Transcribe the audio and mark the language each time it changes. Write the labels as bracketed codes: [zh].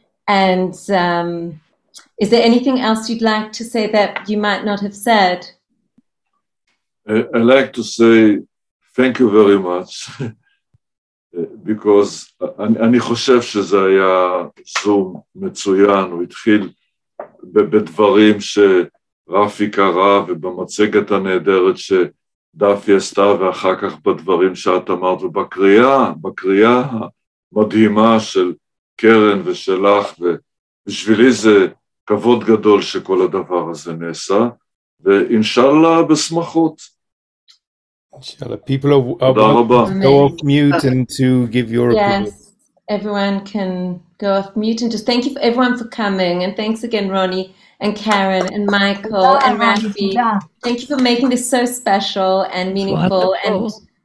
[en] And is there anything else you'd like to say that you might not have said? I'd like to say thank you very much, because [he] אני חושב שזה היה זום מצוין. הוא התחיל בדברים שרפי קרא ובמצגת הנהדרת שדפי עשתה, ואחר כך בדברים שאת אמרת, ובקריאה המדהימה של קרן ושלך, ובשבילי זה כבוד גדול שכל הדבר הזה נעשה, ואינשאללה בשמחות. [en] People are go off mute and to give your opinion. Yes, everyone can go off mute and just thank you for everyone for coming. And thanks again, Ronny and Karen and Michael and Rafi. Thank you for making this so special and meaningful. Wonderful.